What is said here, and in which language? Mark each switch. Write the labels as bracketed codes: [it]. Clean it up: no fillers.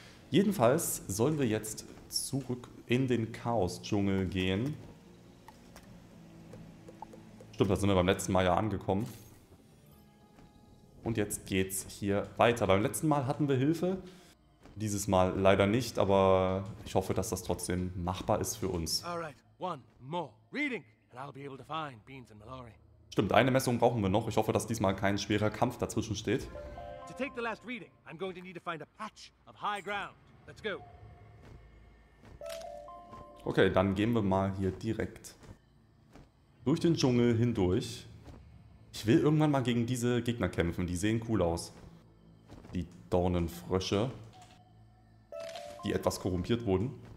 [de] Jedenfalls sollen wir jetzt zurück in den Chaos-Dschungel gehen. Stimmt, da sind wir beim letzten Mal ja angekommen. Und jetzt geht's hier weiter. Beim letzten Mal hatten wir Hilfe. Dieses Mal leider nicht, aber ich hoffe, dass das trotzdem machbar ist für uns. [en] Alright, one more reading. I'll be able to find Beans and Mallory. [de] Stimmt, eine Messung brauchen wir noch. Ich hoffe, dass diesmal kein schwerer Kampf dazwischen steht. [en] To take the last reading, I'm going to need to find a patch of high ground. Let's go. [de] Okay, dann gehen wir mal hier direkt durch den Dschungel hindurch. Ich will irgendwann mal gegen diese Gegner kämpfen. Die sehen cool aus. Die Dornenfrösche, die etwas korrumpiert wurden.